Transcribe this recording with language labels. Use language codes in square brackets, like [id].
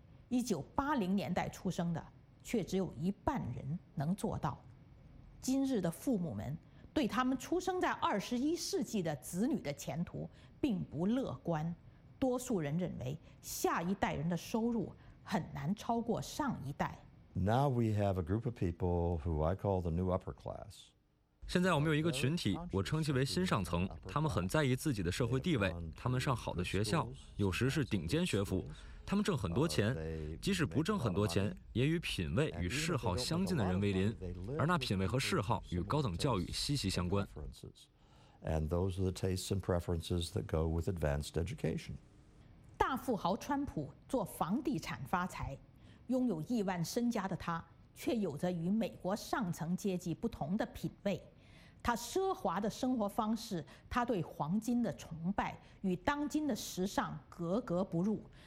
[zh] 1980年代出生的却只有一半人能做到。今日的父母们对他们出生在21世纪的子女的前途并不乐观，多数人认为下一代人的收入很难超过上一代。 [en] Now we have a group of people who I call the new upper class。 [zh] 现在我们有一个群体，我称其为新上层，他们很在意自己的社会地位，他们上好的学校，有时是顶尖学府。他们挣很多钱，即使不挣很多钱，也与品味与嗜好相近的人为邻，而那品味和嗜好与高等教育息息相关。 [en] And those are the tastes and preferences that go with advanced education. [zh] 大富豪川普做房地产发财，拥有亿万身家的他，却有着与美国上层阶级不同的品味。他奢华的生活方式，他对黄金的崇拜，与当今的时尚格格不入。